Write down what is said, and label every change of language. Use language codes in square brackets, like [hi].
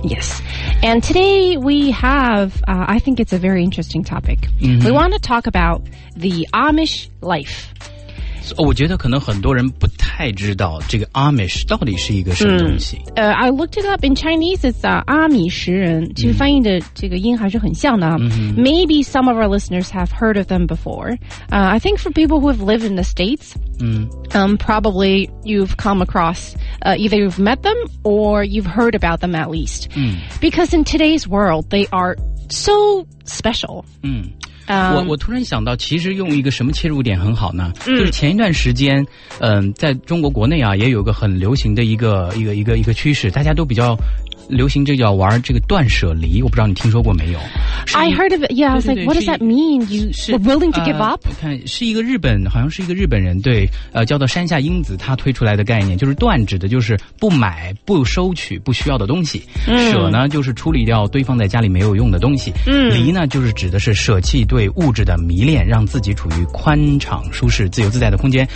[en] Yes, and today we have,、I think it's a very interesting topic.、 Mm-hmm. We want to talk about the Amish life. [zh] 我觉得可能很多人不太知道这个 Amish 到底是一个什么东西、 [en] I looked it up in Chinese, it's [zh] 阿米什人，其实翻译的这个音还是很像的、 mm-hmm. [en] Maybe some of our listeners have heard of them before、I think for people who have lived in the States、 mm-hmm. Probably you've come across、either you've met them or you've heard about them at least、 mm-hmm. Because in today's world, they are so special、 mm-hmm. [zh] 我突然想到其实用一个什么切入点很好呢、嗯、就是前一段时间在中国国内啊也有个很流行的一个趋势，大家都比较流行这叫玩这个断舍离，我不知道你听说过没有。 [en] I heard of it, yeah, I was like, what does that mean? You were willing to give up? [zh] 看是一个日本，好像是一个日本人，对，叫做山下英子，他推出来的概念就是断，指的就是不买不收取不需要的东西、嗯、舍呢就是处理掉堆放在家里没有用的东西、嗯、离呢就是指的是舍弃对物质的迷恋，让自己处于宽敞舒适自由自在的空间。